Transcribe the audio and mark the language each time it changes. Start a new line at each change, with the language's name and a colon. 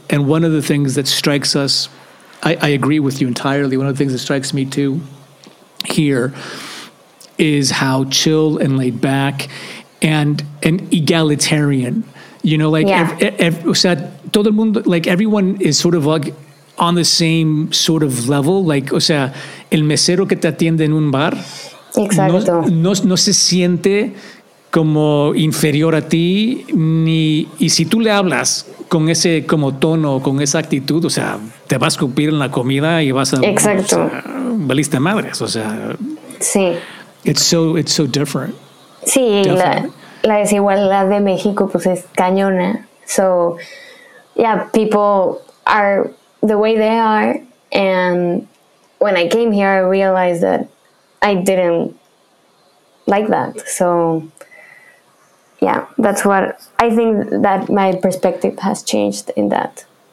English: And one of the things that strikes us, I agree with you entirely. One of the things that strikes me too here is how chill and laid back and egalitarian, you know, like,
Spanish: todo el mundo,
English: like everyone is sort of like on the same sort of level.
Spanish: Like, o sea, el mesero que te atiende en un bar, no se siente como inferior a ti, ni, y si tú le hablas con ese como tono, con esa actitud, o sea, te vas a escupir en la comida y vas a... Exacto. O sea, valiste madres, o sea... Sí.
English: It's so different.
Spanish: Sí, la desigualdad de México, pues, es cañona.
English: So, yeah, people are the way they are. And when I came here, I realized that I didn't like that. So... yeah, that's what I think, that my perspective has changed in that.